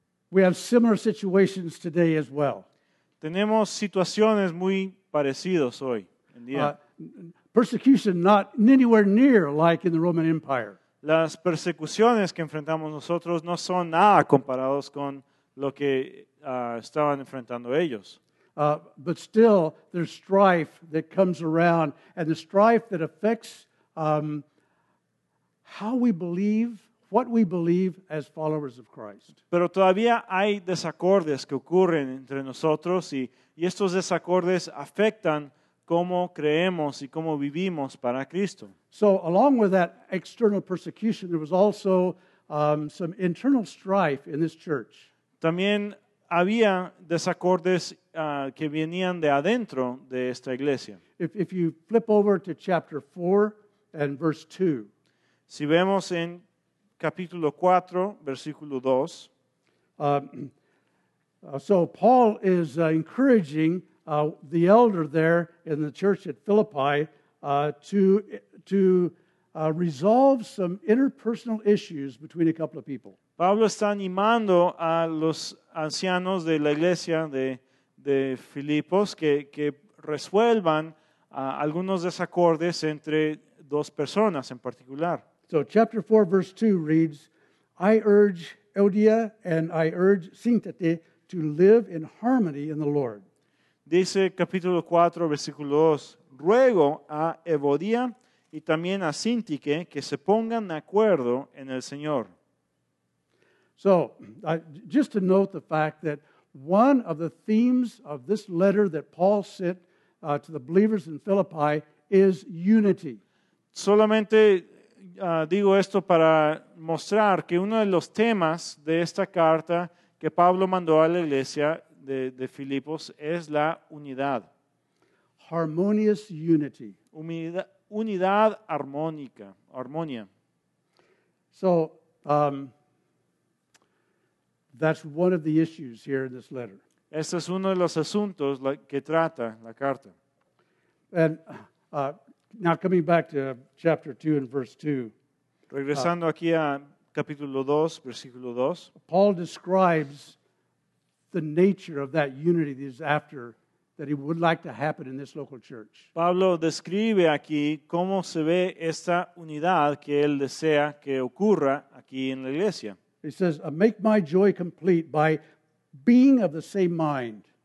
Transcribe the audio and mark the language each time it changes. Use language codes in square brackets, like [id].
[en] We have similar situations today as well. [es] Tenemos situaciones muy parecidas hoy en día. [en] Persecution not anywhere near like in the Roman Empire. [es] Las persecuciones que enfrentamos nosotros no son nada comparados con lo que estaban enfrentando ellos. [en] But still, there's strife that comes around, and the strife that affects how we believe, what we believe as followers of Christ. [es] Pero todavía hay desacordes que ocurren entre nosotros y estos desacordes afectan cómo creemos y cómo vivimos para Cristo. [en] So along with that external persecution, there was also some internal strife in this church. [es] También había desacordes que venían de adentro de esta iglesia. [en] If you flip over to chapter 4 and verse 2. [es] Si vemos en capítulo 4, versículo 2. [en] So Paul is encouraging the elder there in the church at Philippi to resolve some interpersonal issues between a couple of people. [es] Pablo está animando a los ancianos de la iglesia de Filipos que resuelvan algunos desacordes entre dos personas en particular. [en] So chapter 4 verse 2 reads, I urge Odia and I urge Syntyche to live in harmony in the Lord. [es] Dice capítulo 4 versículo 2, ruego a Evodia y también a Syntyche que se pongan de acuerdo en el Señor. [en] So, just to note the fact that one of the themes of this letter that Paul sent to the believers in Philippi is unity. [es] Solamente digo esto para mostrar que uno de los temas de esta carta que Pablo mandó a la iglesia de Filipos es la unidad. [en] Harmonious unity. [es] Unidad armónica, armonía. [en] So, that's one of the issues here in this letter. [es] Este es uno de los asuntos que trata la carta. [en] And now coming back to chapter 2 and verse 2. [es] Regresando aquí a capítulo 2, versículo 2. [en] Paul describes the nature of that unity that he's after, that he would like to happen in this local church. [es] Pablo describe aquí cómo se ve esta unidad que él desea que ocurra aquí en la iglesia. [en] He says, make my joy complete by being of the same mind.